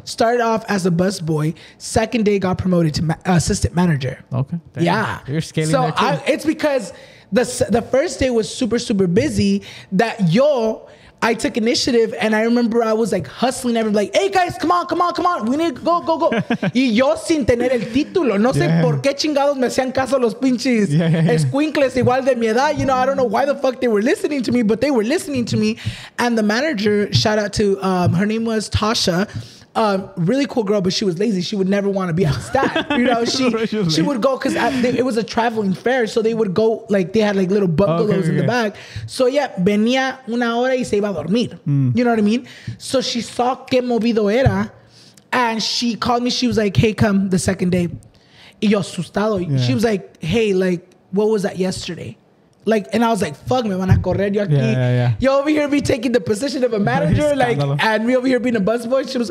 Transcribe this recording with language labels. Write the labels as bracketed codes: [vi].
[en] Started off as a bus boy. Second day got promoted to assistant manager. Okay. Damn. Yeah. You're scaling that too. It's because the first day was super, super busy that I took initiative and I remember I was like hustling everyone like, hey guys, come on. We need to go. [es] Y yo sin tener el título. No sé por qué chingados me hacían caso los pinches escuincles igual de mi edad. [en] You know, I don't know why the fuck they were listening to me, but they were listening to me. And the manager, shout out to, her name was Tasha. Really cool girl, but she was lazy. She would never want to be on staff. You know, she would go because it was a traveling fair. So they would go like they had like little bungalows in the back. So yeah, [es] venía una hora y se iba a dormir. Mm. [en] You know what I mean? So she saw [es] que movido era [en] and she called me. She was like, hey, come the second day. [es] Y yo asustado. [en] Yeah. She was like, hey, like, what was that yesterday? Like, and I was like, fuck me, [es] van a correr yo aquí. [en] Yeah. Yo over here be taking the position of a manager, like, and me over here being a busboy.